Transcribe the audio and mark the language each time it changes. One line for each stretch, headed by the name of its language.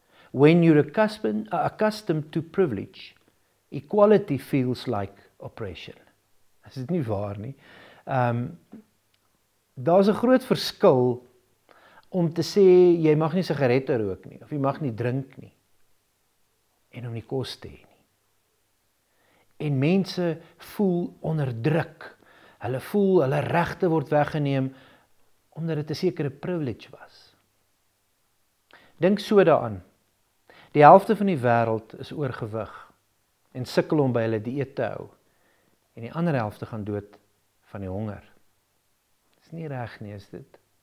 English: When you're accustomed to privilege, equality feels like oppression."
Afrikaans: Is dit nie waar nie? Daar is een groot verskil om te sê, jy mag nie sigarette rook nie, of jy mag nie drink nie, en om nie kos te hê nie. En mense voel onder druk. Hulle voel hulle regte word weggeneem, omdat dit 'n sekere privilege was. Dink so daaraan. Die helfte van die wêreld is oorgewig, en sukkel om by hulle dieet te hou. En die ander helfte gaan dood van die honger. Dis nie reg nie, is dit.